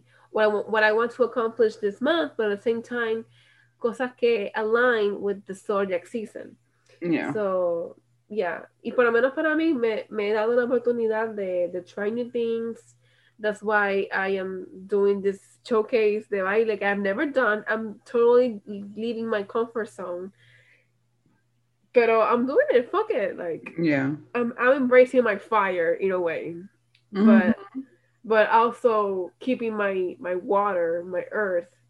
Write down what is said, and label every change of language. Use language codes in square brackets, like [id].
[en] What I want to accomplish this month, but at the same time, [es] cosas que [en] align with the zodiac season. Yeah. So, yeah. [es] Y por lo menos para mí, me he dado la oportunidad de [en] try new things. That's why I am doing this showcase that I, like, I've never done. I'm totally leaving my comfort zone. Pero I'm doing it. Fuck it. Like, yeah. I'm embracing my fire in a way. But also keeping my water, my earth.